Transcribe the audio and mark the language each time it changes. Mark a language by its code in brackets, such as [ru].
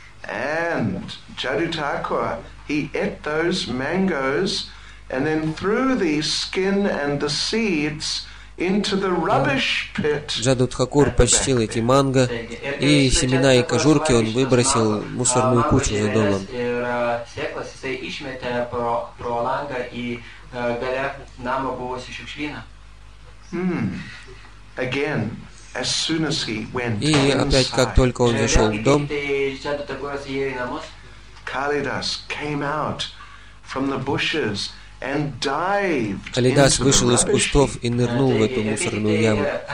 [en] And Jarutakur, he ate those mangoes and then threw the skin and the seeds into the rubbish pit. [ru] Джарутхакур почтил эти манго, и семена и кожурки он выбросил в мусорную кучу за домом. [en] Again, as soon as he went [ru] И опять, как только он зашел в дом, [en] Kalidas came out from the bushes and dived. [ru] Kalidas вышел из кустов и нырнул в эту мусорную яму.